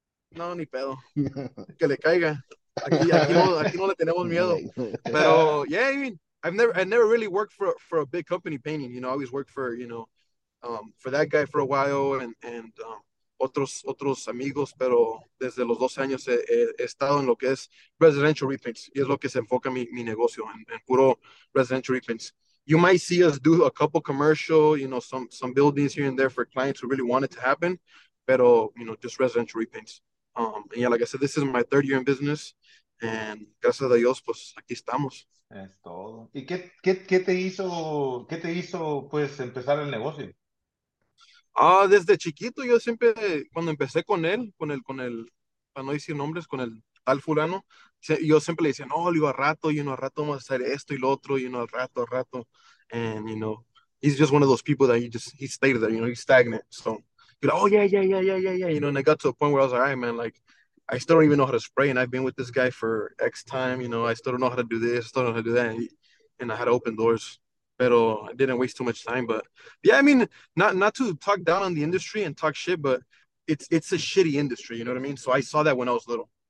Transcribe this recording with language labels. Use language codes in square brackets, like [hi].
[es] No, ni pedo. Que le caiga. Aquí no le tenemos miedo. [en] Pero, I've never really worked for a big company painting. I always worked for that guy for a while and [es] otros amigos. Pero desde los 12 años he estado en lo que es residential repaints. Y es lo que se enfoca mi negocio, en puro residential repaints. [en] You might see us do a couple commercial, some buildings here and there for clients who really want it to happen. Pero, just residential repaints. Like I said, this is my third year in business, and [es] gracias a Dios, pues, aquí estamos. Es todo. ¿Y qué te hizo, pues, empezar el negocio? Desde chiquito, yo siempre, cuando empecé con él, para no decir nombres, con el al fulano, yo siempre le decía, no, le digo, al rato, [en] y al rato vamos a hacer esto y lo otro, y al rato, and, you know, he's just one of those people that he just, he stayed there, you know, he's stagnant, so, you're like, oh, yeah, you know, and I got to a point where I was like, all right, man, like, I still don't even know how to spray, and I've been with this guy for X time, you know, I still don't know how to do this, still don't know how to do that, and I had to open doors, but I didn't waste too much time, but, yeah, I mean, not to talk down on the industry and talk shit, but it's a shitty industry, you know what I mean, so I saw that when I was little.